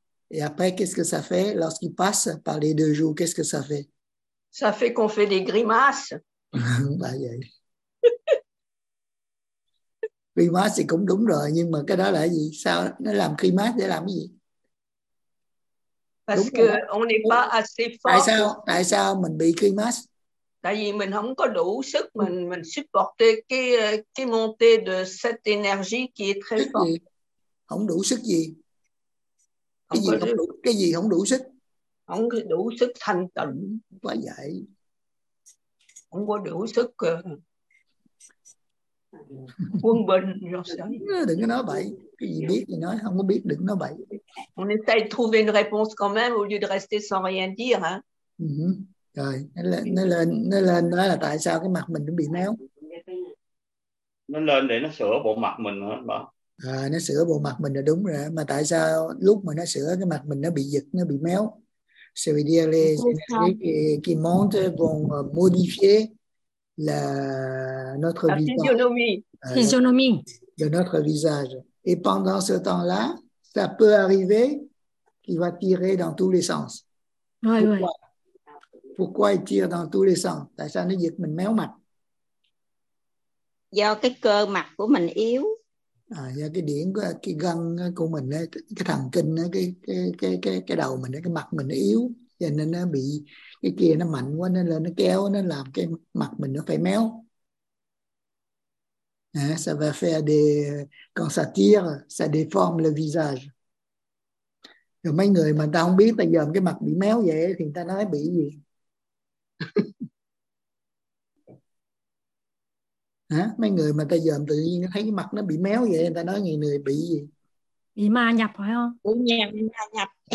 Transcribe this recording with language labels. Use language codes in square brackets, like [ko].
[fr] Et après, qu'est-ce que ça fait lorsqu'il passe par les deux joues? Qu'est-ce que ça fait? Ça fait qu'on fait des grimaces. Bah, <yeah. [vi] cười> grimaces, c'est cũng đúng rồi, nhưng mà cái đó là gì? Sao nó làm grimaces để làm gì? [fr] Parce qu'on n'est pas assez fort. [vi] Tại sao mình bị grimace? Tại vì mình không có đủ sức mình supporter cái [fr] montée de cette énergie qui est très forte. [vi] Không đủ sức gì? Cái gì không đủ sức? Không có đủ sức thanh tịnh. Quá vậy. Không có đủ sức quân bình. Đừng có nói bậy. Cái gì biết thì nói, không có biết đừng nói bậy. [fr] On essaie de trouver une réponse quand même au lieu de rester sans rien dire, hein? Mm-hmm. [vi] Rồi nó lên nói là tại sao cái mặt mình nó bị méo. Nó lên để nó sửa bộ mặt mình hả bà? À, nó sửa bộ mặt mình là đúng rồi, mà tại sao lúc mà nó sửa cái mặt mình nó bị giật, nó bị méo? [fr] C'est vrai les qui monte vont modifier la notre visage. Physionomie. De notre visage. Et pendant ce temps-là, ça peut arriver qu'il va tirer dans tous les sens. Oui, oui. Pourquoi il tire dans tous les sens? [vi] Tại sao nó giật mình méo mặt? Do cái cơ mặt của mình yếu. À, do cái điểm của cái gân của mình ấy, cái thần kinh ấy, cái đầu mình ấy, cái mặt mình yếu cho nên nó bị cái kia nó mạnh quá nên lên nó kéo nó làm cái mặt mình nó phải méo. [fr] À, ça va faire des quand ça tire ça déforme le visage. [vi] Rồi mấy người mà ta không biết tại giờ cái mặt bị méo vậy thì người ta nói bị gì? Hả? Mấy người mà ta dòm tự nhiên thấy cái mặt nó bị méo vậy, người ta nói người bị gì? Bị ma nhập phải không? Uống nhang bị ma nhập.